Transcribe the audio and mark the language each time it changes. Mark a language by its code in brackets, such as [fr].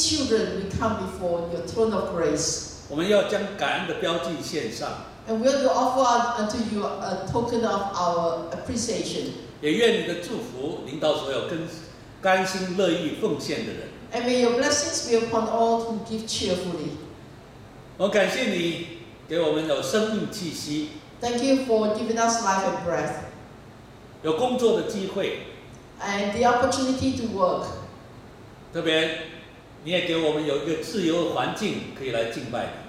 [en] children, we come before your throne of grace. And we will offer unto you a token of our appreciation. And may your blessings be upon all who give cheerfully. [zh] 我感谢你给我们有生命气息。 [en] Thank you for giving us life and breath. [zh] 有工作的机会。 [en] And the opportunity to work. [zh] 特别，你也给我们有一个自由的环境可以来敬拜。